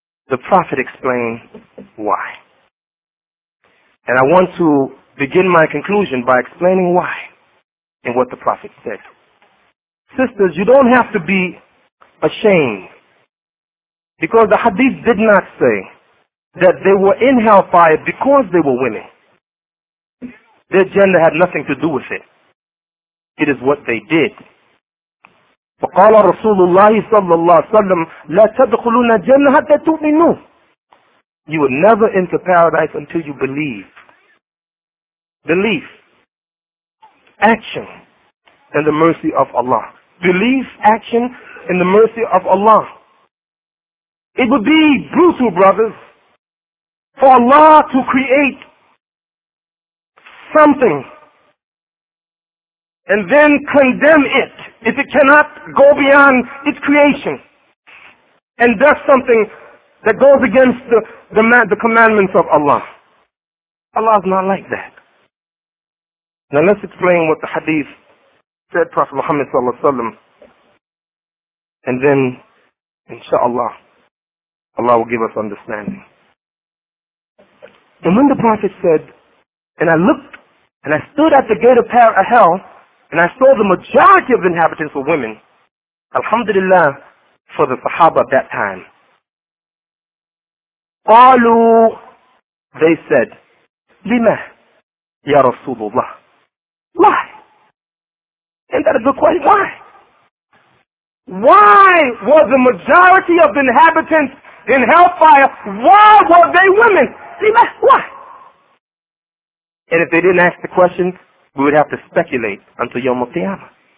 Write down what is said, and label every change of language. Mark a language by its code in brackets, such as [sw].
[en] The Prophet explained why. And I want to begin my conclusion by explaining why and what the Prophet said. Sisters, you don't have to be ashamed because the hadith did not say that they were in hellfire because they were women. Their gender had nothing to do with it. It is what they did. [ar] فقال رسول الله صلى الله عليه وسلم لا تدخلون الجنة حتى تؤمنوا. [en] You will never enter paradise until you believe. Belief, action, and the mercy of Allah. Belief, action, and the mercy of Allah. It would be brutal, brothers, for Allah to create something and then condemn it if it cannot go beyond its creation and does something that goes against the commandments of Allah. Allah is not like that. Now let's explain what the hadith said, Prophet Muhammad sallallahu alaihi wasallam, and then, inshallah, Allah will give us understanding. And when the Prophet said, and I looked, and I stood at the gate of hell, and I saw the majority of the inhabitants were women, alhamdulillah, for the Sahaba at that time. [ar] قالوا, [en] they said, [ar] لما يا رسول الله. [en] Why? Isn't that a good question? Why? Why was the majority of the inhabitants in hellfire, why were they women? [ar] لما? [en] Why? And if they didn't ask the question, we would have to speculate until Yawm al-Qiyamah.